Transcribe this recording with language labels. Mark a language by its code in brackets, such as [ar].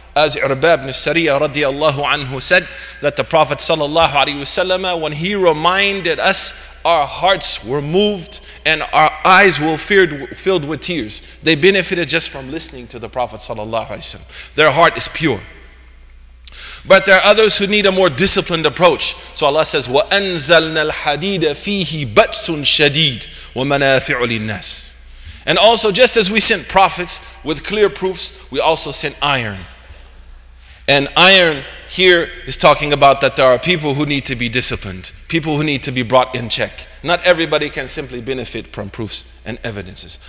[en] As Irbab ibn Sariya radiallahu anhu said, that the Prophet sallallahu alayhi wasallam, when he reminded us, our hearts were moved and our eyes were filled with tears. They benefited just from listening to the Prophet sallallahu alayhi wasallam. Their heart is pure. But there are others who need a more disciplined approach. So Allah says, [ar] وَأَنزَلْنَا الْحَدِيدَ فِيهِ بَأْسٌ شَدِيدٌ وَمَنَافِعُ لِلنَّاسِ. [en] And also, just as we sent prophets with clear proofs, we also sent iron. And iron here is talking about that there are people who need to be disciplined, people who need to be brought in check. Not everybody can simply benefit from proofs and evidences.